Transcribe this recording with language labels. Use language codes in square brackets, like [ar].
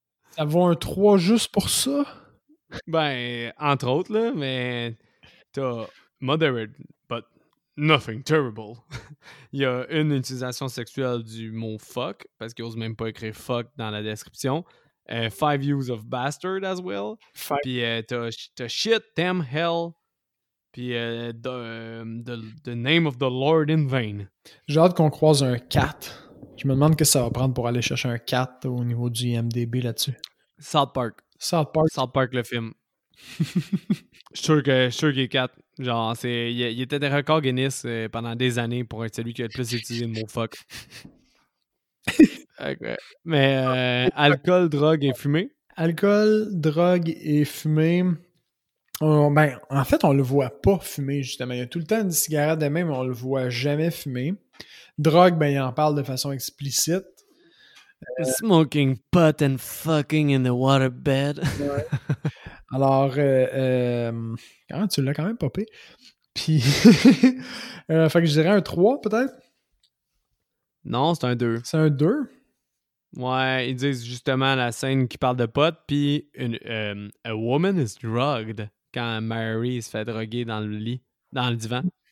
[fr] ça vaut un 3 juste pour ça? Ben, entre autres, là, mais t'as Moderate. [en] Nothing terrible. [fr] Il y a une utilisation sexuelle du mot fuck, parce qu'il n'ose même pas écrire fuck dans la description. [en] Five views of bastard as well. Five. [fr] Puis t'as [en] shit, damn hell. Puis the name of the Lord in vain. [fr] J'ai hâte qu'on croise un 4. Je me demande ce que ça va prendre pour aller chercher un 4 au niveau du IMDb là-dessus. South Park, le film. je suis sûr qu'il est 4. Genre, il était des records Guinness pendant des années pour être celui qui a le plus utilisé le mot fuck. Okay. Mais alcool, drogue et fumée? Alcool, drogue et fumée. En fait, on le voit pas fumer, justement. Il y a tout le temps une cigarette de main, mais on le voit jamais fumer. Drogue, ben, il en parle de façon explicite. [en] Smoking pot and fucking in the waterbed. [fr] Ouais. Alors, tu l'as quand même popé. Puis, fait que je dirais un 3, peut-être? Non, c'est un 2. C'est un 2? Ouais, ils disent justement la scène qui parle de potes, puis « [en] A woman is drugged [fr] » quand Mary se fait droguer dans le lit, dans le divan.